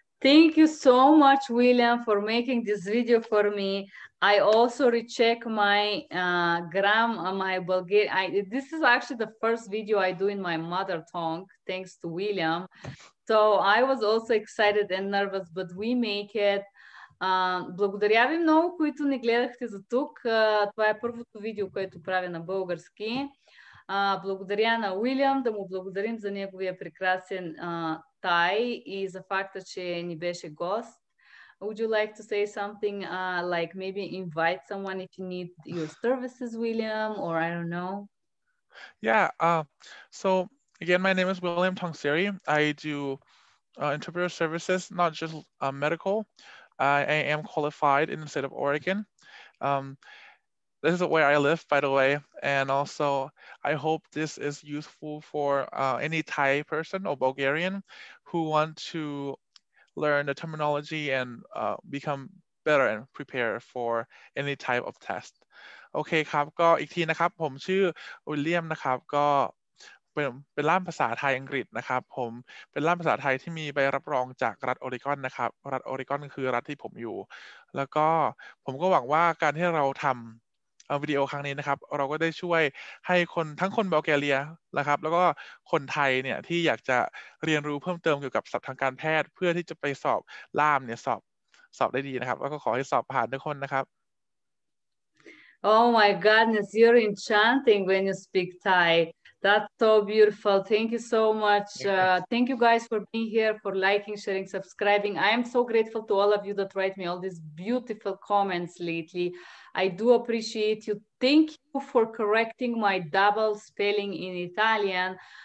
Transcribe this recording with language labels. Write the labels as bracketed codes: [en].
[en] Thank you so much, William, for making this video for me. I also recheck my grammar, my Bulgarian. This is actually the first video I do in my mother tongue, thanks to William. So I was also excited and nervous, but we make it. [bg] Благодаря ви много, които не гледахте за тук. Това е първото видео, което правя на български. Благодаря на Уилям, да му благодарим за неговия прекрасен тай и за факта, че ни беше гост. [en] Would you like to say something, like maybe invite someone if you need your services, William, or I don't know? Yeah, so again, my name is William Tongsiri. I do interpreter services, not just medical. I am qualified in the state of Oregon. This is where I live, by the way. And also, I hope this is useful for any Thai person or Bulgarian who want to learn the terminology and become better and prepare for any type of test. [th] Okay, ครับก็อีกทีนะครับผมชื่อวิลเลียมนะครับก็เป็นล่ามภาษาไทยอังกฤษนะครับผมเป็นล่ามภาษาไทยที่มีใบรับรองจากรัฐออริกอนนะครับรัฐออริกอนคือรัฐที่ผมอยู่แล้วก็ผมก็หวังว่าการที่เราทำวิดีโอครั้งนี้นะครับเราก็ได้ช่วยให้คนทั้งคนบัลแกเรียนะครับแล้วก็คนไทยเนี่ยที่อยากจะเรียนรู้เพิ่มเติมเกี่ยวกับศัพท์ทางการแพทย์เพื่อที่จะไปสอบล่ามเนี่ยสอบได้ดีนะครับแล้วก็ขอให้สอบผ่านทุกคนนะครับ [en] Oh my goodness, you're enchanting when you speak Thai. That's so beautiful. Thank you so much. Thank you guys for being here, for liking, sharing, subscribing. I am so grateful to all of you that write me all these beautiful comments lately. I do appreciate you. Thank you for correcting my double spelling in Italian.